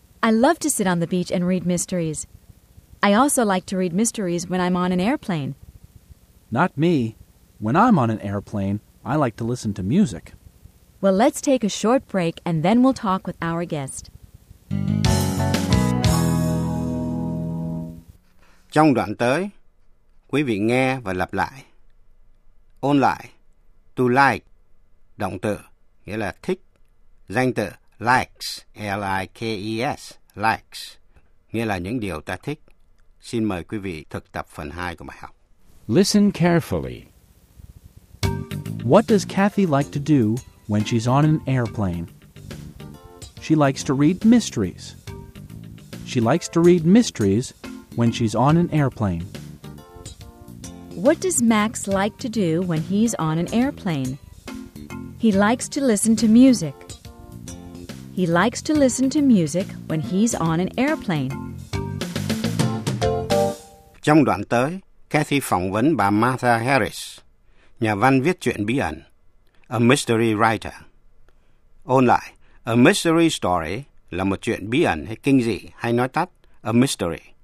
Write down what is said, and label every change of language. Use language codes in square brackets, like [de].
[en] I love to sit on the beach and read mysteries. I also like to read mysteries when I'm on an airplane. Not me. When I'm on an airplane, I like to listen to music. Well, let's take a short break and then we'll talk with our guest. [vi] Trong đoạn tới, quý vị nghe và lặp lại. Ôn lại. To like. Động từ nghĩa là thích. Danh từ likes. L-I-K-E-S. Likes. Nghĩa là những điều ta thích. Xin mời quý vị thực tập phần 2 của bài học. [en] Listen carefully. What does Kathy like to do when she's on an airplane? She likes to read mysteries. She likes to read mysteries when she's on an airplane. What does Max like to do when he's on an airplane? He likes to listen to music. He likes to listen to music when he's on an airplane. [vi] Trong đoạn tới, Kathy phỏng vấn bà Martha Harris, nhà văn viết truyện bí ẩn, [en] a mystery writer. [vi] Ôn lại, [en] a mystery story [vi] là một chuyện bí ẩn hay kinh dị, hay nói tắt, [en] a mystery.